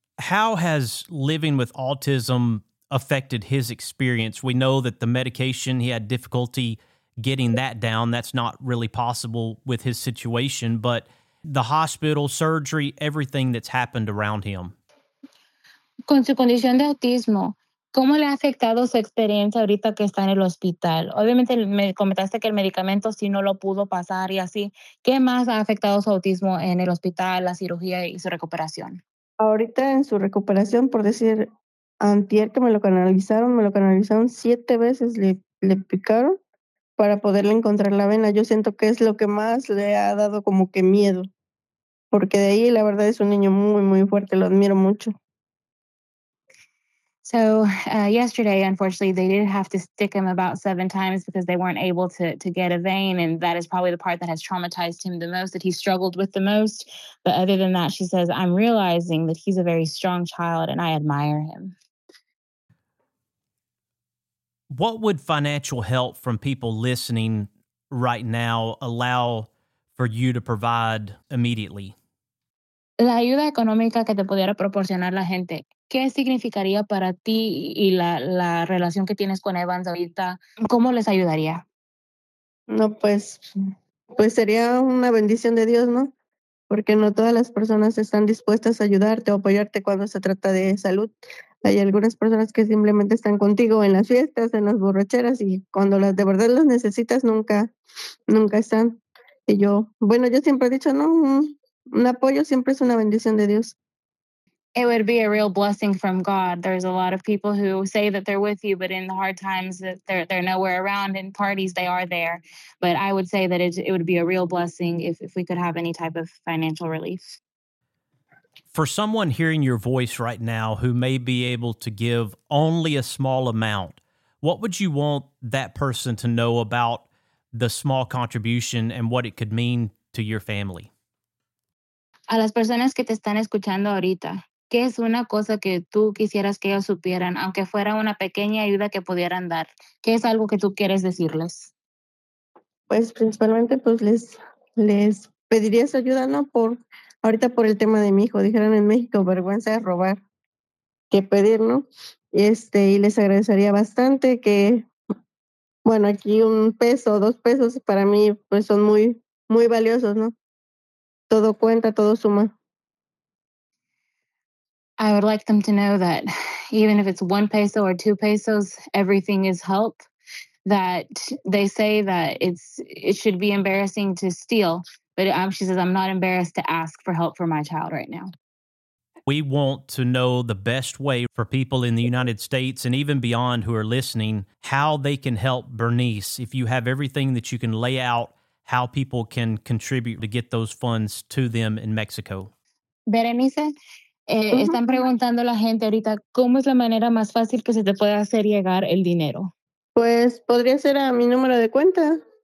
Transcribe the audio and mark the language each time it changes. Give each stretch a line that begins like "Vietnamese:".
English: How has living with autism affected his experience? We know that the medication, he had difficulty getting that down. That's not really possible with his situation, but the hospital, surgery, everything that's happened around him.
Spanish: Con su condición de autismo, ¿cómo le ha afectado su experiencia ahorita que está en el hospital? Obviamente me comentaste que el medicamento sí no lo pudo pasar y así. ¿Qué más ha afectado su autismo en el hospital, la cirugía y su recuperación? Ahorita en su recuperación, por decir, antier que me lo canalizaron 7 veces, le picaron para poderle encontrar la vena. Yo siento que es lo que más le ha dado como que miedo, porque de ahí la verdad es un niño muy, muy fuerte, lo admiro mucho.
English: So yesterday, unfortunately, they did have to stick him about 7 times because they weren't able to get a vein. And that is probably the part that has traumatized him the most, that he struggled with the most. But other than that, she says, I'm realizing that he's a very strong child and I admire him. What would financial help from people listening right now allow for you to provide immediately?
Spanish: La ayuda económica que te pudiera proporcionar la gente. ¿Qué significaría para ti y la relación que tienes con Evans ahorita? ¿Cómo les ayudaría? No, pues sería una bendición de Dios, ¿no? Porque no todas las personas están dispuestas a ayudarte o apoyarte cuando se trata de salud. Hay algunas personas que simplemente están contigo en las fiestas, en las borracheras, y cuando de verdad las necesitas, nunca están. que yo, bueno, yo siempre he dicho, no, un apoyo siempre es una bendición de Dios.
English: It would be a real blessing from God. There's a lot of people who say that they're with you, but in the hard times that they're nowhere around. In parties, they are there. But I would say that it would be a real blessing if we could have any type of financial relief. For someone hearing your voice right now who may be able to give only a small amount, what would you want that person to know about the small contribution and what it could mean to your family?
Spanish: A las personas que te están escuchando ahorita, ¿qué es una cosa que tú quisieras que ellos supieran, aunque fuera una pequeña ayuda que pudieran dar? ¿Qué es algo que tú quieres decirles? Pues principalmente pues les pediría su ayuda, ¿no? Por ahorita por el tema de mi hijo, dijeron en México, vergüenza es robar, que pedir, ¿no? Y les agradecería bastante que, bueno, aquí un peso, dos pesos para mí pues son muy, muy valiosos, ¿no? Todo cuenta, todo suma.
English: I would like them to know that even if it's one peso or two pesos, everything is help. That they say that it should be embarrassing to steal, but she says, I'm not embarrassed to ask for help for my child right now. We want to know the best way for people in the United States and even beyond who are listening, how they can help Bernice. If you have everything that you can lay out, how people can contribute to get those funds to them in Mexico. Berenice?
Spanish: Están preguntando la gente ahorita, ¿cómo es la manera más fácil que se te puede hacer llegar el dinero? Pues podría ser a mi número de cuenta.